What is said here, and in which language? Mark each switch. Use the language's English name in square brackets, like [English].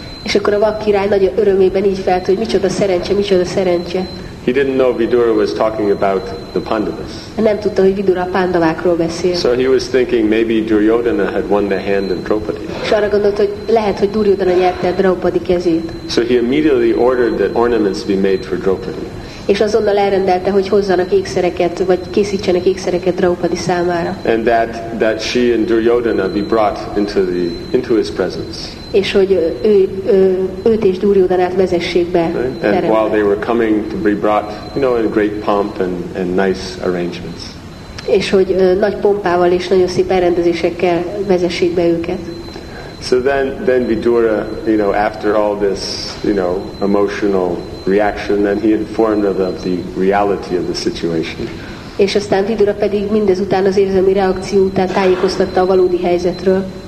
[Hungarian] És akkor a vak király nagy örömében így felt, hogy micsoda szerencse. [English] He didn't know Vidura was talking about the Pandavas. [Hungarian] Nem tudta, hogy Vidura a Pándavákról beszél. [English] So he was thinking maybe Duryodhana had won the hand in Draupadi. [Hungarian] És arra gondolt, hogy lehet, hogy Duryodhana nyerte a Draupadi kezét. [English] So he immediately ordered that ornaments be made for Draupadi. [Hungarian] És azonnal elrendelte, hogy hozzanak ékszereket, vagy készítsenek ékszereket Draupadi számára. [English] And that she and Duryodhana be brought into his presence. [Hungarian] És hogy őt és Duryodhanát vezessék be. [English] Right? And [Hungarian] terembe. [English] While they were coming to be brought, you know, in great pomp and nice arrangements. [Hungarian] És hogy nagy pompával és nagyon szép elrendezésekkel vezessék be őket. [English] So then Vidura, you know, after all this, you know, emotional reaction, then he informed her of the reality of the situation. [Hungarian] És aztán Vidura pedig mindezután az érzelmi reakció után tájékoztatta a valódi helyzetről.